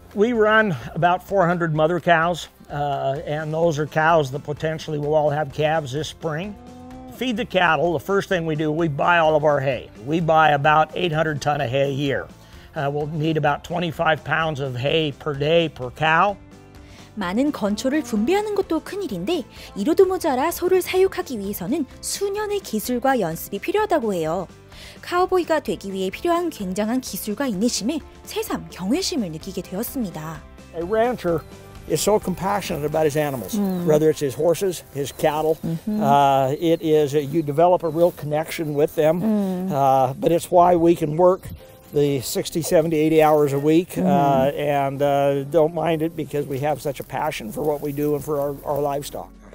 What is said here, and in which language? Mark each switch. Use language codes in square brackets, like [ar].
[en] we run about 400 mother cows, and those are cows that potentially will all have calves this spring. Feed the cattle, the first thing we do, we buy all of our hay. We buy about 800 ton of hay a year. We'll need about 25 pounds of hay per day per cow. [ko] 많은 건초를 분배하는 것도 큰 일인데 이로도 모자라 소를 사육하기 위해서는 수년의 기술과 연습이 필요하다고 해요. 카우보이가 되기 위해 필요한 굉장한 기술과 인내심에 새삼 경외심을 느끼게 되었습니다. [en] A rancher is so compassionate about his animals, whether it's his horses, his cattle. It is you develop a real connection with them. But it's why we can work the 60, 70, 80 hours a week and don't mind it because we have such a passion for what we do and for our livestock.